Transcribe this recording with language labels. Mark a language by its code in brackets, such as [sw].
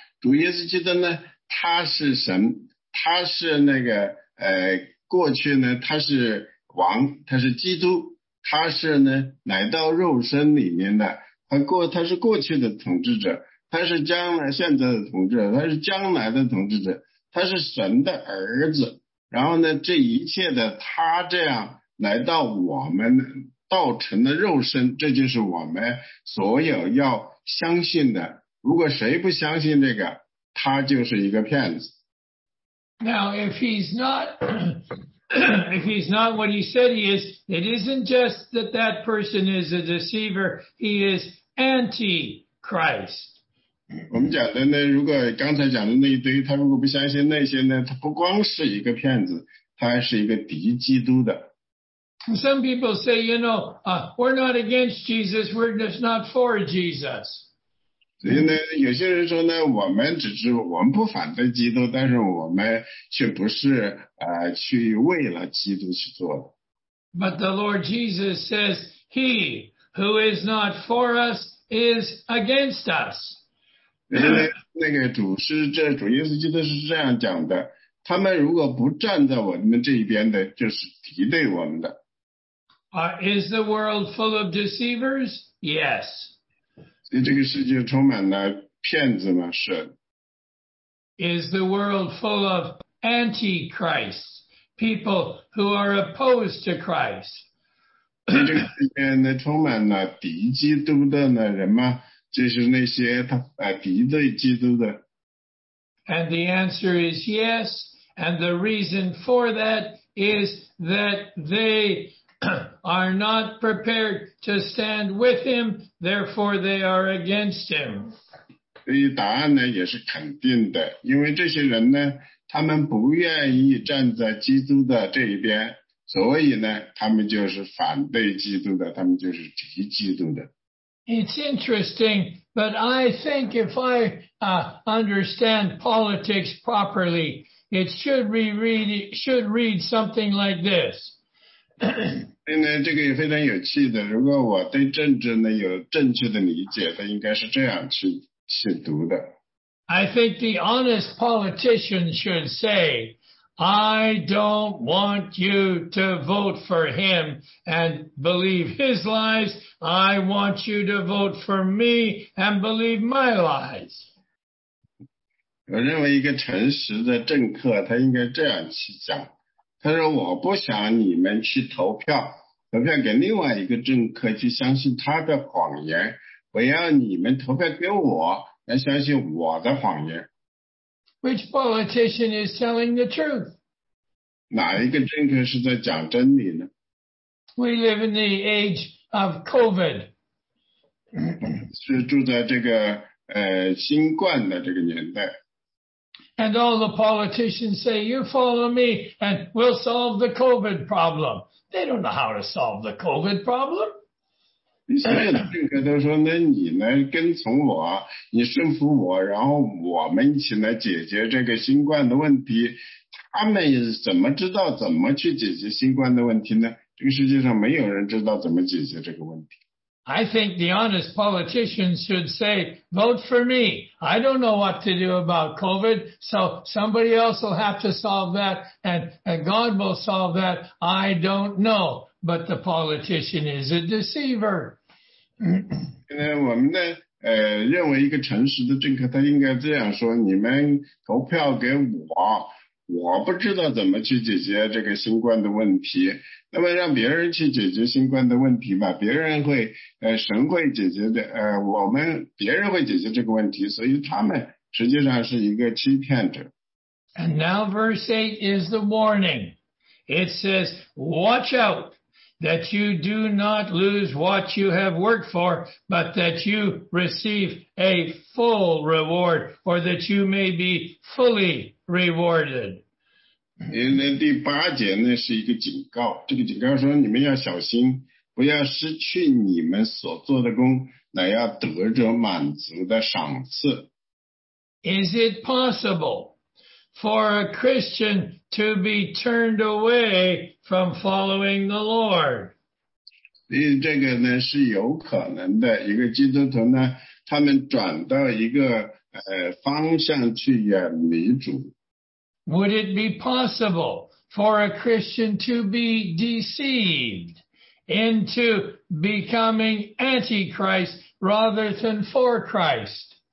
[zh] 主耶稣基督呢，他是神，他是那个过去呢，他是王，他是基督，他是呢来到肉身里面的，他是过去的统治者，他是将来现在的统治者，他是将来的统治者，他是神的儿子。然后呢，这一切的他这样来到我们。道成的肉身，这就是我们所有要相信的。如果谁不相信这个，他就是一个骗子。 [en] Now, if he's not what he said he is, it isn't just that that person is a deceiver, he is anti-Christ. [zh] 我们讲的呢，如果刚才讲的那一堆，他如果不相信那些呢，他不光是一个骗子，他还是一个敌基督的。 [en] Some people say, you know, we're not against Jesus, we're just not for Jesus. [zh] 所以呢，有些人说呢，我们不反对基督，但是我们却不是去为了基督去做的。 [en] But the Lord Jesus says, he who is not for us is against us. [zh] 所以呢，那个主耶稣基督是这样讲的，他们如果不站在我们这一边的，就是敌对我们的。 [en] Is the world full of deceivers? Yes. [zh] 所以这个世界充满了骗子吗？是。 [en] Is the world full of antichrists? People who are opposed to Christ. [zh] 所以这个世界呢，充满了敌基督的呢人吗？就是那些敌对基督的。 [en] And the answer is yes. And the reason for that is that they are not prepared to stand with him, therefore they are against him. [zh] 所以答案呢也是肯定的，因为这些人呢，他们不愿意站在基督的这一边，所以呢，他们就是反对基督的，他们就是敌基督的。 [en] It's interesting, but I think if I understand politics properly, it should read something like this. [zh] 所以呢，这个也非常有趣的。如果我对政治呢有正确的理解，它应该是这样去读的。 [en] I think the honest politician should say, I don't want you to vote for him and believe his lies. I want you to vote for me and believe my lies. [zh] 我认为一个诚实的政客，他应该这样去讲。他说，我不想你们去投票给另外一个政客去相信他的谎言，我要你们投票给我来相信我的谎言。 [en] Which politician is telling the truth? [zh] 哪一个政客是在讲真理呢？ [en] We live in the age of COVID. [zh] 是住在这个新冠的这个年代。 [en] And all the politicians say, you follow me and we'll solve the COVID problem. They don't know how to solve the COVID problem. [zh] 所有的政客都说，那你来跟从我，你顺服我，然后我们一起来解决这个新冠的问题。他们怎么知道怎么去解决新冠的问题呢？这个世界上没有人知道怎么解决这个问题。 [en] I think the honest politicians should say, vote for me. I don't know what to do about COVID, so somebody else will have to solve that, and God will solve that. I don't know, but the politician is a deceiver. [zh] 现在我们呢，认为一个诚实的政客他应该这样说，你们投票给我，我不知道怎么去解决这个新冠的问题，那么让别人去解决新冠的问题吧，别人会神会解决的，我们别人会解决这个问题，所以他们实际上是一个欺骗者。 [en] And now verse 8 is the warning. It says, watch out that you do not lose what you have worked for, but that you receive a full reward, or that you may be fully rewarded. [zh] 那第八节呢是一个警告，这个警告说你们要小心，不要失去你们所做的工，乃要得着满足的赏赐。 [en] Is it possible for a Christian to be turned away from following the Lord? [zh] 这个呢是有可能的，一个基督徒呢他们转到一个方向去远离主。 [en] Would it be possible for a Christian to be deceived into becoming antichrist rather than for Christ?